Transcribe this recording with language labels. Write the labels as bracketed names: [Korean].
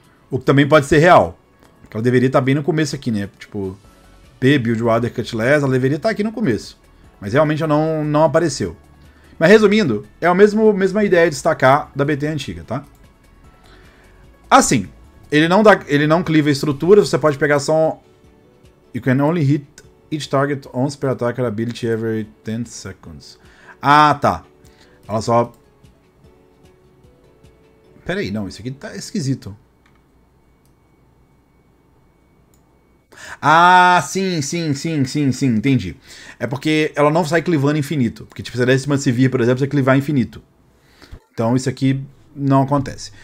[Portuguese] O que também pode ser real. Porque ela deveria estar bem no começo aqui, né? Tipo... P, Buildwater, Cutlass, ela deveria estar aqui no começo. Mas realmente não apareceu. Mas resumindo, é a mesma ideia de destacar da BT antiga, tá? Assim, ele não cliva estruturas, você pode pegar só... [English] You can only hit each target once per attacker ability every 10 seconds. [Portuguese] Ah, tá. Ela só... Pera aí, não, isso aqui tá esquisito. Ah, sim, entendi. É porque ela não sai clivando infinito. Porque tipo, se você desse uma civir, por exemplo, você clivar infinito. Então isso aqui não acontece.